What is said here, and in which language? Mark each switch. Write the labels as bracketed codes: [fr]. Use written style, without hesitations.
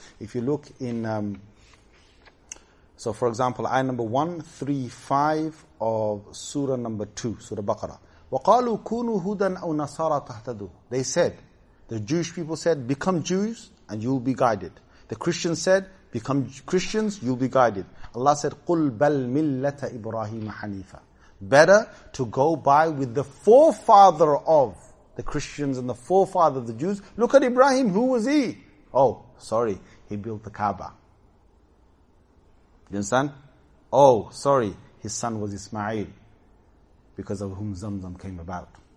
[en] If you look in... So for example, ayah number 135 of surah number 2, Surah Baqarah. [ar] وَقَالُوا كُونُوا هُدًا أَوْ نَصَارَى تَهْتَدُوا. [en] They said, the Jewish people said, become Jews and you'll be guided. The Christians said, become Christians, you'll be guided. Allah said, [ar] قُلْ بَلْ مِلَّةَ إِبْرَاهِيمَ حَنِيفًا. [en] Better to go by with the forefather of the Christians and the forefather of the Jews. Look at Ibrahim, who was he? Oh, sorry, he built the Kaaba. You understand? Oh, sorry, his son was Ismail, because of whom Zamzam came about.